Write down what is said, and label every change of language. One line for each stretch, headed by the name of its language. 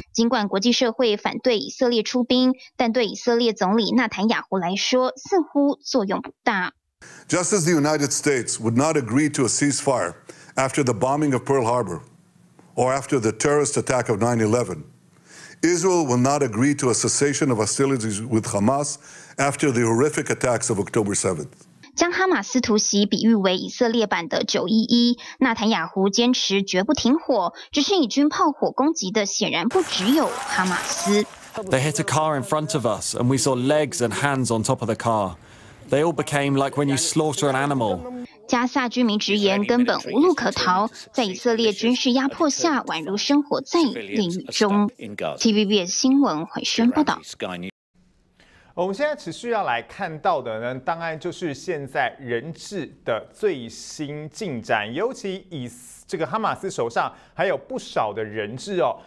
Chinese: 尽管国际社会反对以色列出兵，但对以色列总理纳坦雅胡来说，似乎作用不大。
English: Just as the United States would not agree to a ceasefire after the bombing of Pearl Harbor or after the terrorist attack of 9/11, Israel will not agree to a cessation of hostilities with Hamas after the horrific attacks of October 7th.
Chinese: 将哈马斯突袭比喻为以色列版的911，纳坦雅胡坚持绝不停火，只是以军炮火攻击的显然不只有哈马斯。
English: They hit a car in front of us, and we saw legs and hands on top of the car. They all became like when you slaughter an animal.
Chinese: 加萨居民直言根本无路可逃，在以色列军事压迫下，宛如生活在炼狱中。 TVBS 新闻回宣报道。我们现在持续要来看到的呢，当然就是现在人质的最新进展，尤其以这个哈马斯手上还有不少的人质哦。